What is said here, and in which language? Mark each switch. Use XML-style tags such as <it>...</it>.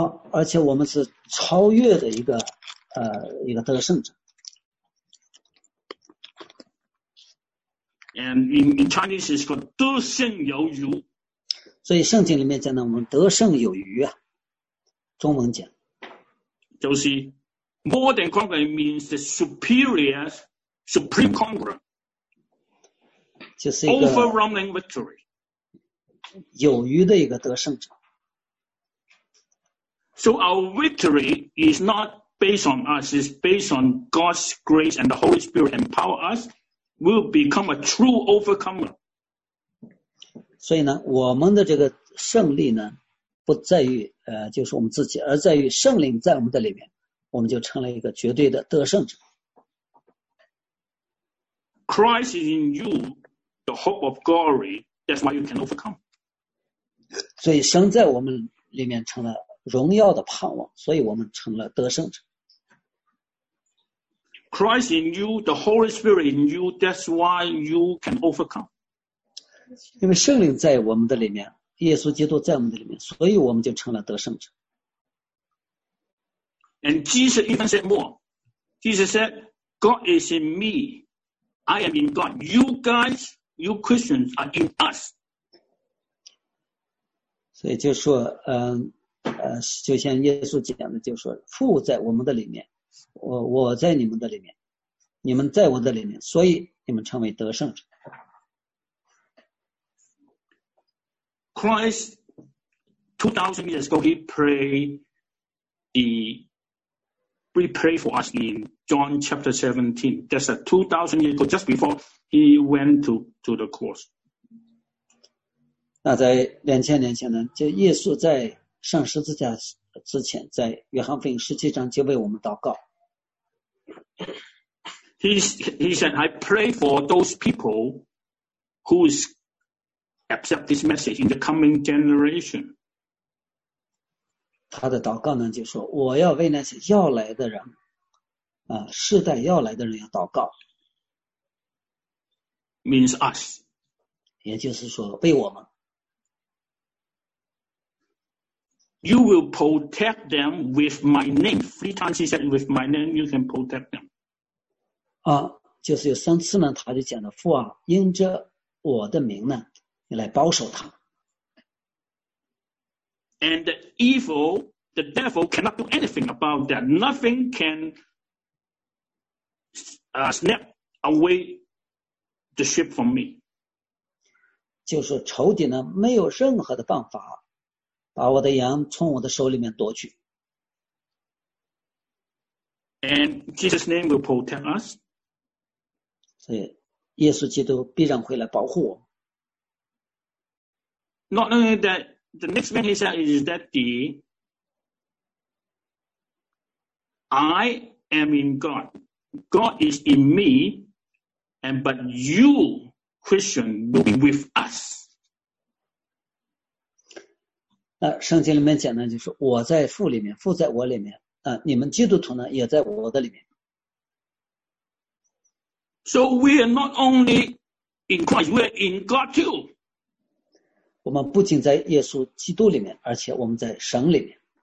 <zh>而且我们是超越的一个得胜者</zh> <en>And in Chinese is called</en> <zh>得胜有余。所以圣经里面讲的我们得胜有余啊，中文讲就是</zh> <en>more than conqueror means the superior, supreme conqueror,</en> <zh>就是一个</zh> <en>overwhelming victory,</en> <zh>有余的一个得胜者。</zh> <en>So our victory is not based on us; it's based on God's grace and the Holy Spirit empower us. Will become a true overcomer.</en> <zh>所以呢，我们的这个胜利呢，不在于就是我们自己，而在于圣灵在我们的里面，我们就成了一个绝对的得胜者。</zh> <en>Christ is in you, the hope of glory. That's why you can overcome.</en> <zh>所以生在我们里面成了荣耀的盼望，所以我们成了得胜者。</zh> <en>Christ in you, the Holy Spirit in you. That's why you can overcome.</en> <zh>因为圣灵在我们的里面，耶稣基督在我们的里面，所以我们就成了得胜者。</zh> <en>And Jesus even said more. Jesus said, "God is in me." I am in God. You guys, you Christians are in us.</en> <zh>所以就说，就像耶稣讲的，就说父在我们的里面，我在你们的里面，你们在我的里面，所以你们成为得胜者。</zh> <en>Christ, 2,000 years ago, We pray for us in John chapter 17. That's 2,000 years ago, just before he went to the cross.</en> <zh>那在2000年前呢，就耶稣在上十字架之前，在约翰福音十七章就为我们祷告。</zh> <en>He said, I pray for those people who accept this message in the coming generation.</en> <zh>他的祷告呢，就说我要为那些要来的人，世代要来的人要祷告。</zh> <en>Means us，</en> <zh>也就是说为我们。</zh> <en>You will protect them with my name. Three times he said, "With my name, you can protect them."</en> <zh>啊，就是有三次呢，他就讲了父啊，因着我的名呢，你来保守他。</zh> <en>And the evil, the devil cannot do anything about that. Nothing can snap away the ship from me.</en> <zh>就是仇敌呢，没有任何的办法把我的羊从我的手里面夺去。</zh> <en>And Jesus' name will protect us.</en> <zh>所以耶稣基督必然会来保护我。</zh> <en>Not only that,The next thing he said is that I am in God. God is in me, but you, Christian, will be with us.</en> <zh>那圣经里面讲呢，就是我在父里面，父在我里面，你们基督徒呢，也在我的里面。</zh> <en>So we are not only in Christ, we are in God too.</en> <zh>我们不仅在耶稣基督里面，而且我们在神里面。</zh>